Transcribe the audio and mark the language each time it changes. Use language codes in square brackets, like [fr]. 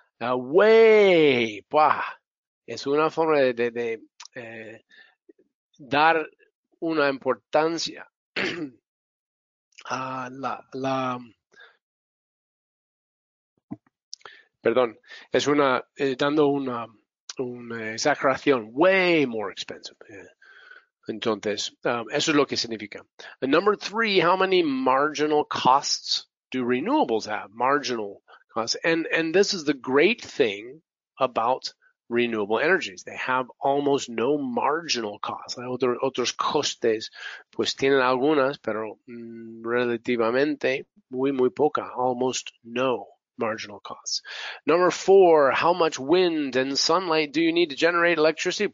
[es] Way. Buah. Es una forma de dar una importancia a la perdón, es una dando una exageración, [en] way more expensive. [es] Entonces, eso es lo que significa. [en] And number three, how many marginal costs do renewables have? Marginal costs. And this is the great thing about renewable energies. They have almost no marginal costs. [es] Hay otros costes, pues tienen algunas, pero relativamente muy, muy poca. [en] Almost no marginal costs. Number four, how much wind and sunlight do you need to generate electricity?